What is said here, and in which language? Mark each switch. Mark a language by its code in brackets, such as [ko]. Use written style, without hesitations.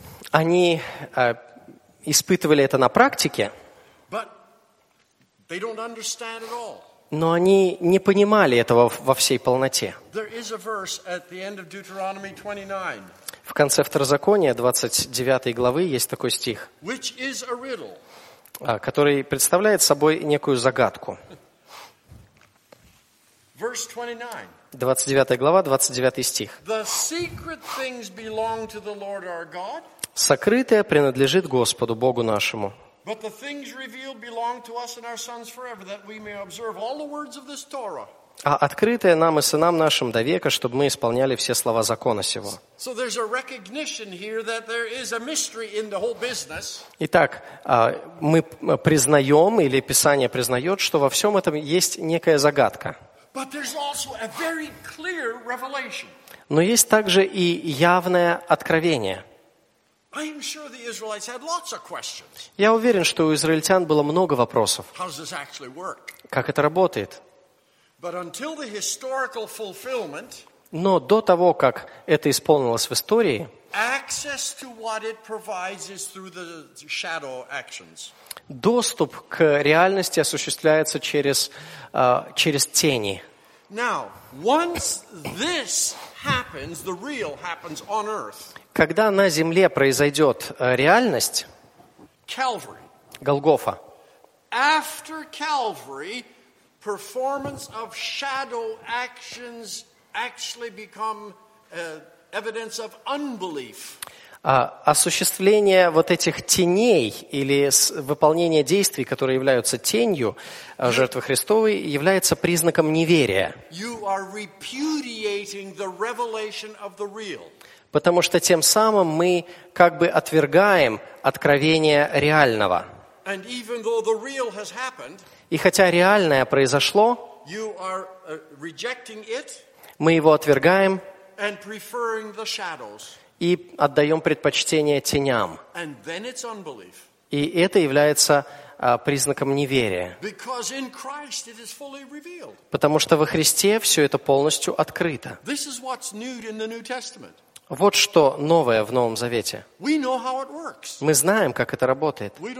[ru] Они испытывали это на практике. [en] They don't understand at all. [ru] Но они не понимали этого во всей полноте. [en] There is a verse at the end of Deuteronomy 29. [ru] В конце Второзакония, 29 главы, есть такой стих, [en] which is a riddle. [ru] Который представляет собой некую загадку. [en] Verse 29. [ru] 29 глава, 29 стих. [en] The secret things belong to the Lord our God. [ru] Сокрытое принадлежит Господу, Богу нашему. [en] But the things revealed belong to us and our sons forever, that we may observe all the words of this Torah. [ru] А открытое нам и сынам нашим до века, чтобы мы исполняли все слова закона сего. [en] So there's a recognition here that there is a mystery in the whole business. [ru] Итак, мы признаем, или Писание признает, что во всем этом есть некая загадка. [en] But there's also a very clear revelation. [ru] Но есть также и явное откровение. [en] I'm sure the Israelites had lots of questions. [ru] Я уверен, что у израильтян было много вопросов. [en] How does this actually work? [ru] Как это работает? [en] But until the historical fulfillment, [ru] но до того, как это исполнилось в истории, [en] access to what it provides is through the shadow actions. [ru] Доступ к реальности осуществляется через тени. [en] Now, once this happens, the real happens on earth. [ru] Когда на земле произойдет реальность, [en] Calvary. [ru] Голгофа, [en] after Calvary, performance of shadow actions actually become evidence of unbelief. [ru] Осуществление вот этих теней или выполнение действий, которые являются тенью жертвы Христовой, является признаком неверия. [en] You are repudiating the revelation of the real. [ru] Потому что тем самым мы как бы отвергаем откровение реального. [en] And even though the real has happened, [ru] и хотя реальное произошло, [en] you are rejecting it, [ru] мы его отвергаем [en] and preferring the shadows. [ru] И отдаем предпочтение теням. [en] And then it's unbelief. [ru] И это является признаком неверия. [en] Because in Christ it is fully revealed. [ru] Потому что во Христе все это полностью открыто. [en] This is what's new in the New Testament. [ru] Вот что новое в Новом Завете. Мы знаем, как это работает.